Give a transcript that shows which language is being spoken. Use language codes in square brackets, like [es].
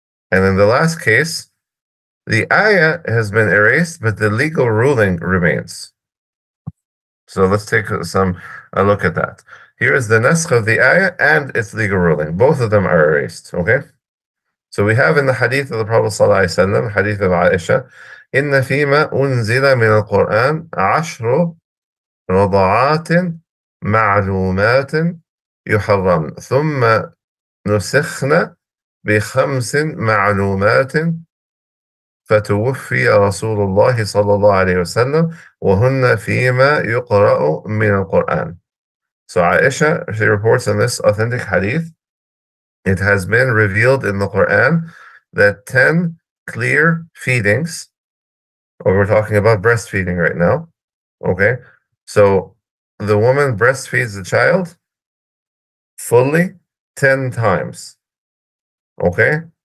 [en] And in the last case, the ayah has been erased, but the legal ruling remains. So let's take a look at that. Here is the naskh of the ayah and its legal ruling. Both of them are erased, okay? So we have in the hadith of the Prophet Sallallahu Alaihi Wasallam, hadith of Aisha, [ar] إن فيما أنزل من القرآن عشر رضعات معلومات يحرم ثم نسخنا بخمس معلومات فتوفي رسول الله صلى الله عليه وسلم وهن فيما يقرأ من القرآن. [en] So Aisha, she reports in this authentic hadith, it has been revealed in the Quran that 10 clear feedings. Oh, we're talking about breastfeeding right now, okay? So the woman breastfeeds the child fully 10 times, okay?